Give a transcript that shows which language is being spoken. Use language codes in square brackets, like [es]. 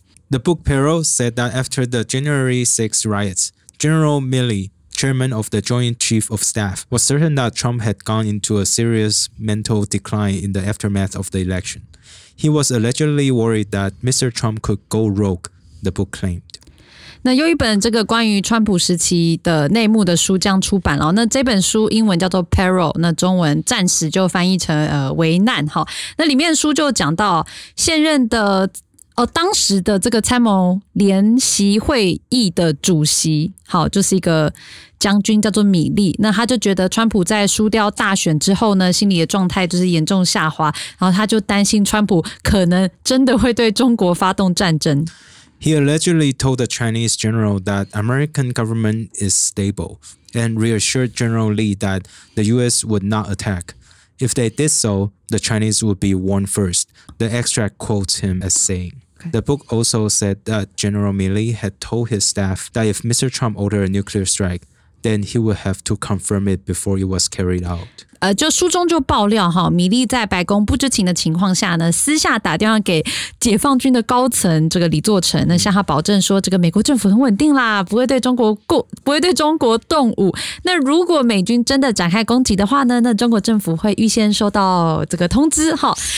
[en] The Book Peril said that after the January 6 riots, General Milley, chairman of the Joint Chief of Staff, was certain that Trump had gone into a serious mental decline in the aftermath of the election. He was allegedly worried that Mr. Trump could go rogue, the book claimed. [zh] 那又一本这个关于川普时期的内幕的书将出版了。那这本书英文叫做 Peril， 那中文暂时就翻译成危难哈。那里面书就讲到现任的当时的这个参谋联席会议的主席，好，就是一个将军叫做米利。那他就觉得川普在输掉大选之后呢，心理的状态就是严重下滑，然后他就担心川普可能真的会对中国发动战争。 [en] He allegedly told the Chinese general that American government is stable and reassured General Li that the U.S. would not attack. If they did so, the Chinese would be warned first. The extract quotes him as saying. Okay. The book also said that General Milley had told his staff that if Mr. Trump ordered a nuclear strike, then he would have to confirm it before it was carried out. [zh] 就书中就爆料哈，米利在白宫不知情的情况下呢，私下打电话给解放军的高层这个李作成，那向他保证说，这个美国政府很稳定啦，不会对中国动武。那如果美军真的展开攻击的话呢，那中国政府会预先收到这个通知哈。